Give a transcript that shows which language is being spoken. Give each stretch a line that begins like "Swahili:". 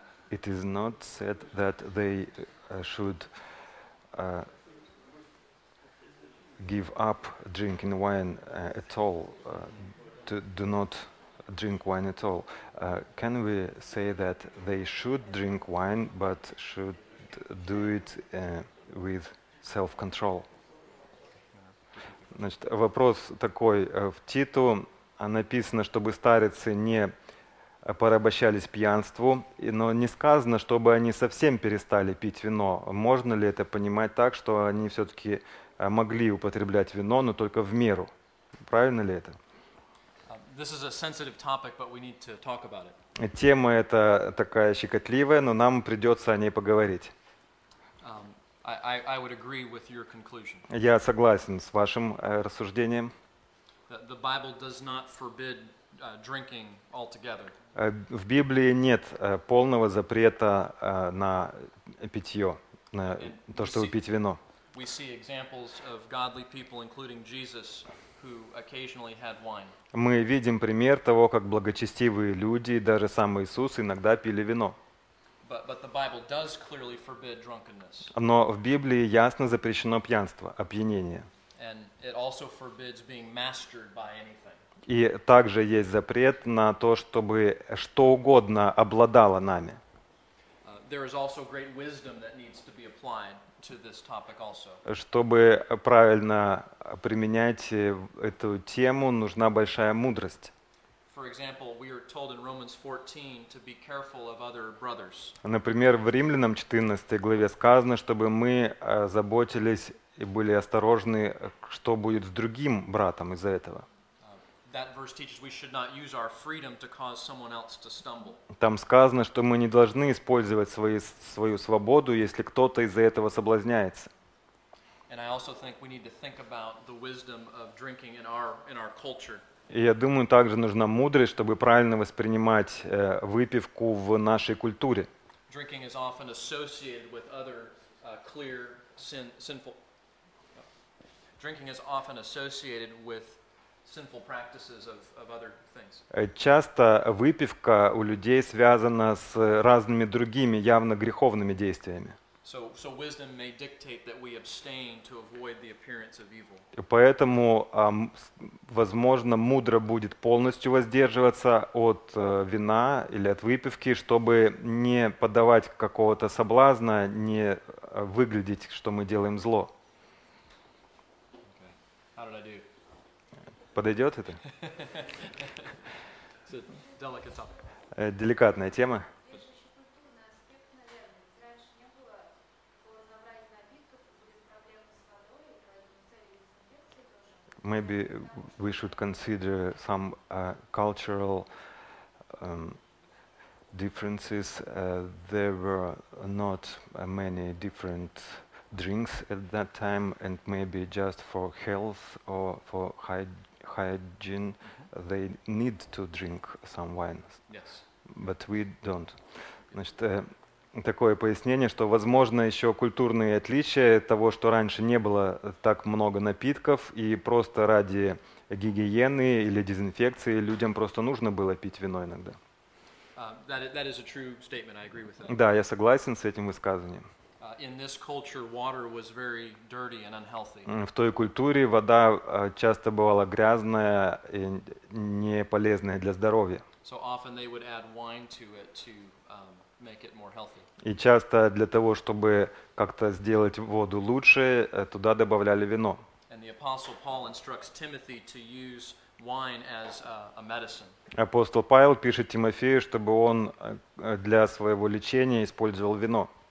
English: It is not said that they should give up drinking wine at all, do not drink wine at all. Can we say that they should drink wine, but should do it with self-control?
Russian: Значит, вопрос такой. В Титу написано, чтобы старицы не порабощались пьянству, но не сказано, чтобы они совсем перестали пить вино. Можно ли это понимать так, что они все-таки могли употреблять вино, но только в меру? Правильно ли это?
English: This is a sensitive topic, but we need to talk about it.
Russian: Тема эта такая щекотливая, но нам придется о ней поговорить.
English: I would agree with your conclusion.
Russian: Я согласен с вашим рассуждением.
English: The Bible does not forbid drinking altogether.
Russian: В Библии нет полного запрета на питье, на то, чтобы пить вино.
English: We see examples of godly people, including Jesus, who occasionally had wine.
Russian: Мы видим пример того, как благочестивые люди, даже сам Иисус, иногда пили вино.
English: But the Bible does clearly forbid drunkenness.
Russian: Но в Библии ясно запрещено пьянство, опьянение.
English: And it also forbids being mastered by anything.
Russian: И также есть запрет на то, чтобы что угодно обладало нами.
English: There is also great wisdom that needs to be applied to this topic also.
Russian: Чтобы правильно применять эту тему, нужна большая мудрость.
English: For example, we are told in Romans 14 to be careful of other brothers.
Russian: Например, в Римлянам 14 главе сказано, чтобы мы заботились и были осторожны, что будет с другим братом из-за этого.
English: That verse teaches we should not use our freedom to cause someone else to stumble.
Russian: Там сказано, что мы не должны использовать свою свободу, если кто-то из-за этого соблазняется.
English: And I also think we need to think about the wisdom of drinking in our culture.
Russian: И я думаю, также нужна мудрость, чтобы правильно воспринимать выпивку в нашей культуре.
English: Drinking is often associated with other clear sinful. Drinking is often associated with sinful practices of other things.
Russian: Часто выпивка у людей связана с разными другими явно греховными действиями.
English: So wisdom may dictate that we abstain to avoid the appearance of evil.
Russian: Поэтому, возможно, мудро будет полностью воздерживаться от вина или от выпивки, чтобы не поддавать какого-то соблазна, не выглядеть, что мы делаем зло.
English: Okay. How did I do?
Russian: Подойдет это?
English: It's a delicate topic.
Russian: Деликатная тема.
English: Maybe we should consider some cultural differences. There were not many different drinks at that time, and maybe just for health or for hygiene, they need to drink some wine. Yes. But we don't.
Russian: Значит, такое пояснение, что, возможно, еще культурные отличия того, что раньше не было так много напитков, и просто ради гигиены или дезинфекции людям просто нужно было пить вино иногда.
English: That is a true statement. I agree with that.
Russian: Да, я согласен с этим высказыванием.
English: In this culture, water was very dirty and unhealthy.
Russian: В той культуре вода часто бывала грязная и не полезная для здоровья.
English: So often they would add wine to it to make it more healthy.
Russian: И часто для того, чтобы как-то сделать воду лучше, туда добавляли вино.
English: And the apostle Paul instructs Timothy to use wine as a medicine.
Russian: Апостол Павел пишет Тимофею, чтобы он для своего лечения использовал вино.